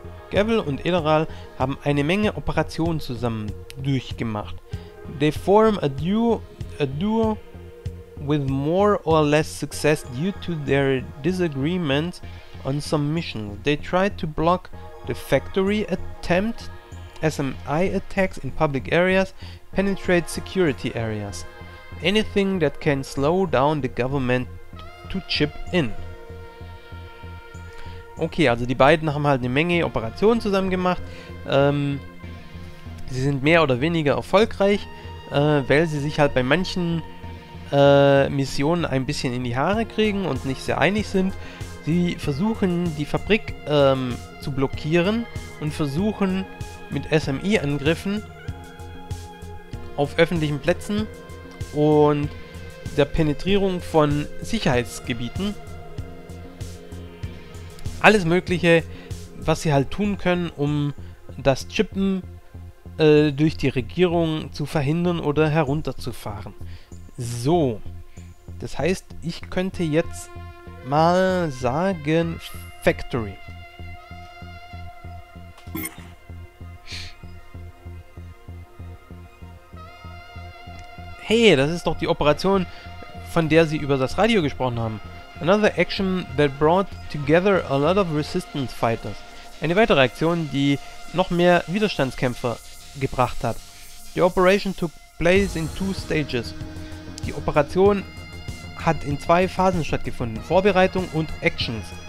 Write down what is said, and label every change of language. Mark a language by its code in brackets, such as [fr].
[de] Gavel und Ederal haben eine Menge Operationen zusammen durchgemacht. [en] They form a duo with more or less success due to their disagreements on some missions. They tried to block the factory attempt. SMI attacks in public areas penetrate security areas. Anything that can slow down the government to chip in. [de] Okay, also die beiden haben halt eine Menge Operationen zusammen gemacht. Sie sind mehr oder weniger erfolgreich, weil sie sich halt bei manchen Missionen ein bisschen in die Haare kriegen und nicht sehr einig sind. Sie versuchen die Fabrik zu blockieren und versuchen mit SMI-Angriffen auf öffentlichen Plätzen und der Penetrierung von Sicherheitsgebieten alles Mögliche, was sie halt tun können, um das Chippen durch die Regierung zu verhindern oder herunterzufahren. So, das heißt, ich könnte jetzt mal sagen Factory. Hey, das ist doch die Operation, von der Sie über das Radio gesprochen haben. [en] Another action that brought together a lot of resistance fighters. [de] Eine weitere Aktion, die noch mehr Widerstandskämpfer gebracht hat. [en] The operation took place in two stages. [de] Die Operation hat in zwei Phasen stattgefunden. Vorbereitung und Actions.